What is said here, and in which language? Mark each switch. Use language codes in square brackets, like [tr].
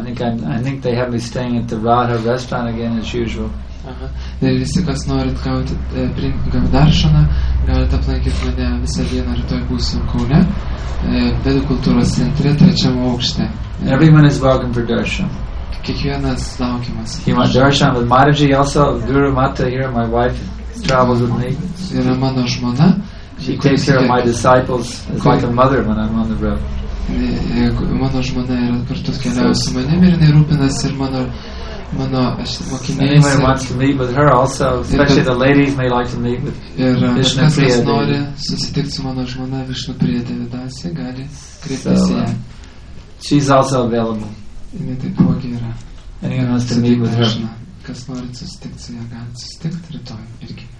[en] I think they have me staying at the Radha restaurant again as usual. [lt] Ir visi, kas norit gauti darshaną, galite aplankyti mane visą dieną, rytoj būsiu Kaune, Vedų kultūros centre, trečiam aukšte. [en] Everyone is welcome for darshan. [lt] Kiekvienas laukimas. [en] You want darshan with Mataji also, Guru Mata here, my wife travels with me. [lt] Yra mano žmona. [en] She takes care of my disciples. It's like a mother when I'm on the road. [lt] Mano žmona yra kartu keliauja su manimi ir jinai rūpinasi ir mano mokiniais. [en] Anyone who wants to meet with her also, especially the ladies may like to meet with Vishnu Priya. [lt] Kas nori susitikti su mano žmona Vishnu Priya Devadasi, gali kreiptis ją. [en] She's also available. [lt] Jinai taipogi yra. [en] Anyone wants to meet with her. [lt] Kas nori susitikti su ją, gali susitikti rytoj irgi.